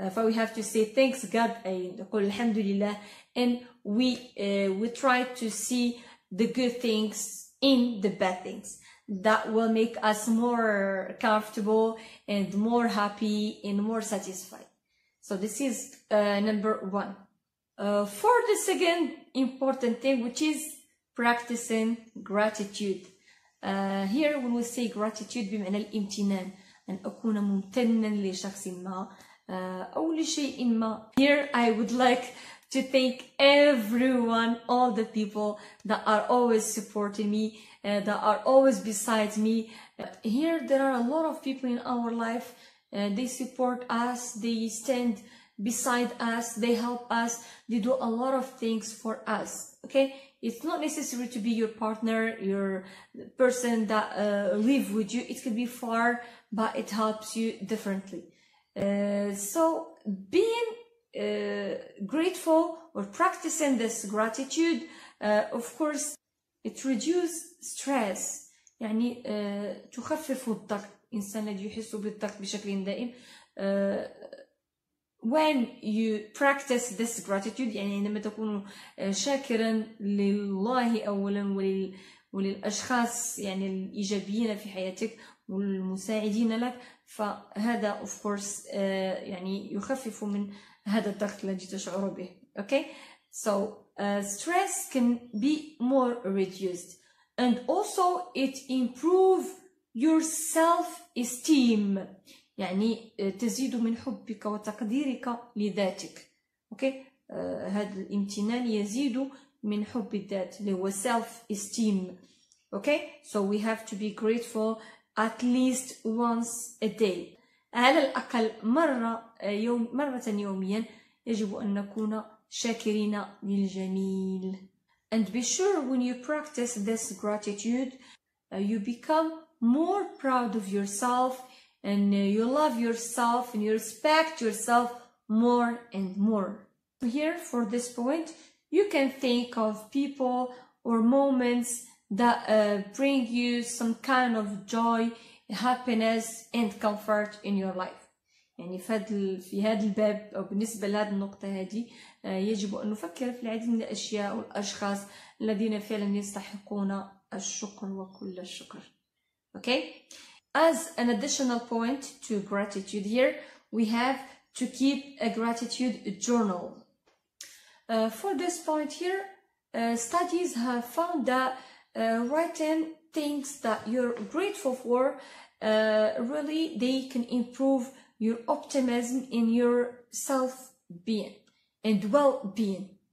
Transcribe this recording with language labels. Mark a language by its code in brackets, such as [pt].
[en] So we have to say thanks God, alhamdulillah, and we try to see the good things in the bad things. That will make us more comfortable and more happy and more satisfied. So this is number one. For the second important thing, which is practicing gratitude. Here when we say gratitude, [ar] بمعنى الامتنان, أن أكون ممتناً لشخص ما أو لشيء ما. [en] Here I would like to thank everyone, all the people that are always supporting me, that are always beside me. Here there are a lot of people in our life, they support us, they stand beside us, they help us, they do a lot of things for us. Okay, it's not necessary to be your partner, your person that live with you. It could be far, but it helps you differently. So being grateful or practicing this gratitude, of course, it reduces stress. [ar] يعني تخفف الضغط. إنسان الذي يحس بالضغط بشكل دائم. [en] When you practice this gratitude, [ar] يعني عندما تكون شاكرا لله أولا وللأشخاص يعني الإيجابيين في حياتك والمساعدين لك, فهذا [en] of course [ar] يعني يخفف من هذا الضغط الذي تشعر به. [en] Okay, so stress can be more reduced, and also it improves your self-esteem. [ar] يعني تزيد من حبك وتقديرك لذاتك. Okay, هذا الامتنان يزيد من حب الذات اللي هو self-esteem. [en] Okay, so we have to be grateful at least once a day. [ar] على الأقل مرة يوميا يجب أن نكون شاكرين للجميل. [en] And be sure when you practice this gratitude, you become more proud of yourself and you love yourself and you respect yourself more and more. Here, for this point, you can think of people or moments that bring you some kind of joy, happiness and comfort in your life. [ar] يعني في هذا الباب أو بالنسبة لهذه النقطة هذه يجب أن نفكر في العديد من الأشياء والأشخاص الذين فعلا يستحقون الشكر وكل الشكر. [en] Okay? As an additional point to gratitude here, we have to keep a gratitude journal. For this point here, studies have found that writing things that you're grateful for, really they can improve your optimism in your self-being and well-being.